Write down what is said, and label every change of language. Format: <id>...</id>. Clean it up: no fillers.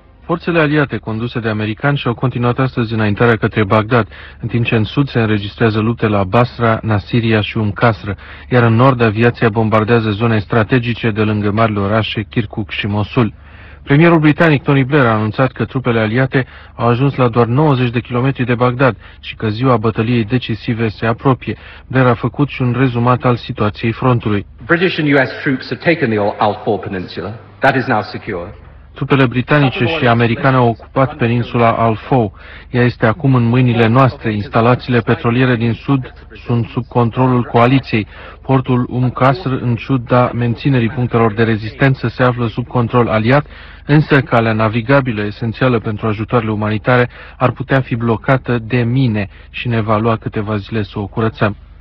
<ro>Forțele aliate conduse de americani și-au continuat astăzi înaintarea către Bagdad, în timp ce în sud se înregistrează lupte la Basra, Nasiria și Umm Qasr, iar în nord aviația bombardează zone strategice de lângă marile orașe Kirkuk și Mosul. Premierul britanic Tony Blair a anunțat că trupele aliate au ajuns la doar 90 de kilometri de Bagdad și că ziua bătăliei decisive se apropie. Blair a făcut și un rezumat al situației frontului.</ro> <en>British and US troops have taken the Al-Khor Peninsula. That is now secure.</en> <ro>Trupele britanice și americane au ocupat peninsula Al-Faw. Ea este acum în mâinile noastre. Instalațiile petroliere din sud sunt sub controlul coaliției. Portul Umm Qasr, în ciuda menținerii punctelor de rezistență, se află sub control aliat, însă calea navigabilă esențială pentru ajutoarele umanitare ar putea fi blocată de mine și ne va lua câteva zile să o curățăm.</ro>